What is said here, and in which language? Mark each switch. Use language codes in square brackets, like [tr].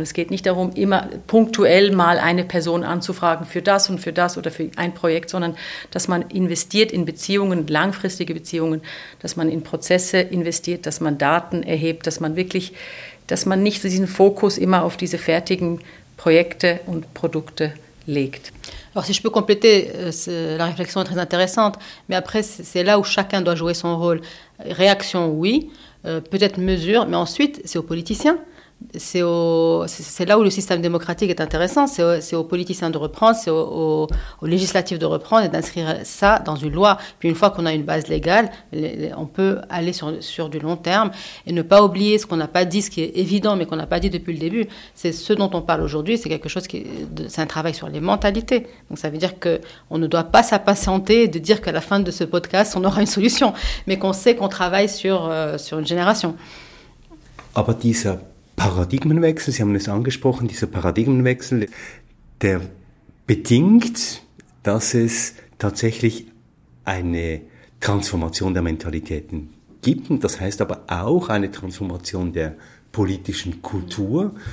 [de] Es geht nicht darum, immer punktuell mal eine Person anzufragen für das und für das oder für ein Projekt, sondern dass man investiert in Beziehungen, langfristige Beziehungen, dass man in Prozesse investiert, dass man Daten erhebt, dass man nicht diesen Fokus immer auf diese fertigen Projekte und Produkte legt. [fr] Alors, si je peux compléter, la réflexion est très intéressante, mais après, c'est là où chacun doit jouer son rôle. Réaction, oui, peut-être mesure, mais ensuite, c'est aux politiciens C'est là où le système démocratique est intéressant. C'est aux politiciens de reprendre, c'est aux législatives de reprendre et d'inscrire ça dans une loi. Puis une fois qu'on a une base légale, on peut aller sur du long terme et ne pas oublier ce qu'on n'a pas dit, ce qui est évident, mais qu'on n'a pas dit depuis le début. C'est ce dont on parle aujourd'hui. C'est quelque chose c'est un travail sur les mentalités. Donc ça veut dire qu'on ne doit pas s'impatienter de dire qu'à la fin de ce podcast, on aura une solution, mais qu'on sait qu'on travaille sur une génération. [de] Aber dieser Paradigmenwechsel, Sie haben es angesprochen, dieser Paradigmenwechsel, der bedingt, dass es tatsächlich eine Transformation der Mentalitäten gibt. Und das heißt aber auch eine Transformation der politischen Kultur.